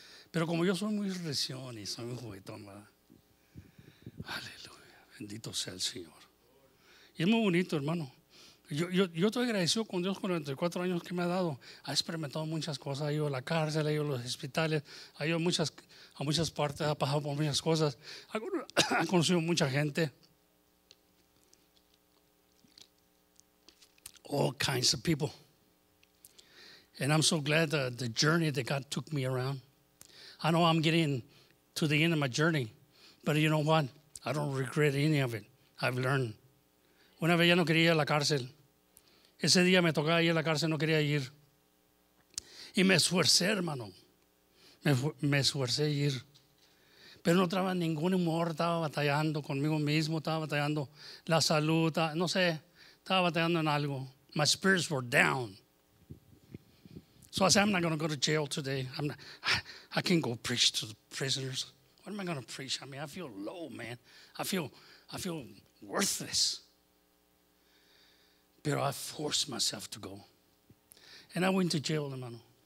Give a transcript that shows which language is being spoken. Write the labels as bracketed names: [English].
[Spanish] Pero como yo soy muy recién y soy un juguetón, ¿verdad? Aleluya. Bendito sea el Señor. Y es muy bonito, hermano. Yo estoy agradecido con Dios con los 34 años que me ha dado. Ha experimentado muchas cosas. Ha ido a la cárcel, ha ido a los hospitales, ha ido a muchas partes, ha pasado por muchas cosas. Ha conocido mucha gente. [English] All kinds of people. And I'm so glad the journey that God took me around. I know I'm getting to the end of my journey. But you know what? I don't regret any of it. I've learned. [Spanish] Una vez ya no quería ir a la cárcel. Ese día me tocaba ir a la cárcel, no quería ir. Y me esfuercé, hermano. Me esfuercé a ir. Pero no traba ningún humor, estaba batallando conmigo mismo, estaba batallando la salud, no sé, estaba batallando en algo. [English] My spirits were down. So I said, I'm not going to go to jail today. I can't go preach to the prisoners. What am I going to preach? I mean, I feel low, man. I feel worthless. But I forced myself to go. And I went to jail, hermano.